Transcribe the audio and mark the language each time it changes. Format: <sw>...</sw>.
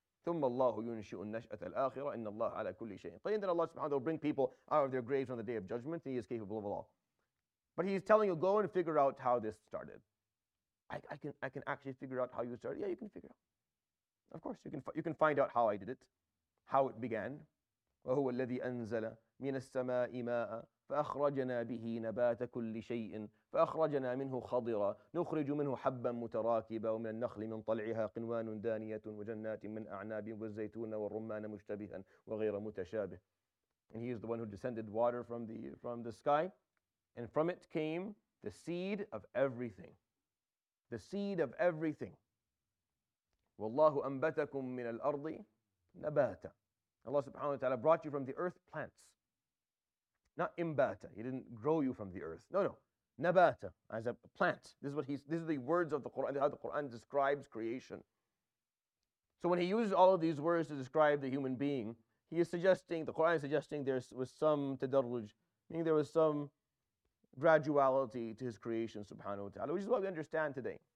<ar>ثُمَّ اللَّهُ يُنْشِئُ النَّشْأَةَ الْآخِرَةَ إِنَّ اللَّهُ عَلَى كُلِّ شَيْءٍ قَدِيرٌ.</ar> <en>Then Allah subhanahu wa ta'ala will bring people out of their graves on the day of judgment, and He is capable of all. But He's telling you, go and figure out how this started. I can actually figure out how you started. Yeah, you can figure out. Of course, you can find out how I did it, how it began.</en> <ar>وهو الذي أنزل من السماء ماء فأخرجنا به نبات كل شيء فأخرجنا منه خضرا نخرج منه حبا متراكبا ومن النخل من طلعها قنوان دانية وجنات من أعناب والزيتون والرمان مشتبها وغير متشابه.</ar> <en>And he is the one who descended water from the sky, and from it came the seed of everything. The seed of everything.</en> <ar>والله أنبتكم من الأرض نباتا.</ar> <en>Allah subhanahu wa ta'ala brought you from the earth plants. Not imbata. He didn't grow you from the earth. No, no. Nabata, as a plant. This is the words of the Quran, how the Quran describes creation. So when he uses all of these words to describe the human being, he is suggesting, the Quran is suggesting there was some tadarruj, meaning there was some graduality to his creation, subhanahu wa ta'ala, which is what we understand today.</en>